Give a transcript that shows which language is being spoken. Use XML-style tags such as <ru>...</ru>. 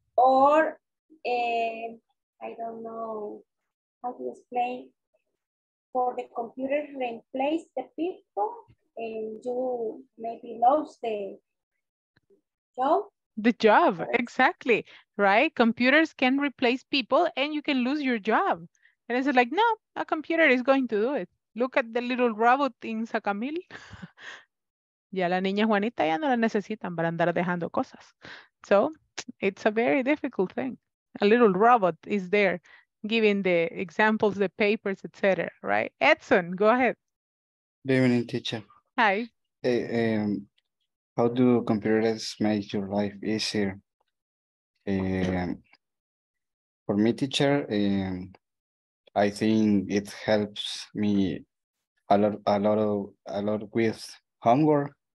<en>Or, I don't know how to explain, for the computer replace the people and you maybe lose the job. The job, exactly, right? Computers can replace people and you can lose your job. And it's like, no, a computer is going to do it. Look at the little robot in Sacamil.</en> <es>Ya la niña Juanita ya no la necesitan para andar dejando cosas.</es> <en>So it's a very difficult thing. A little robot is there giving the examples, the papers, etc. Right? Edson, go ahead. Good evening, teacher. Hi. Hey, how do computers make your life easier? For me, teacher, I think it helps me a lot with homework.</en>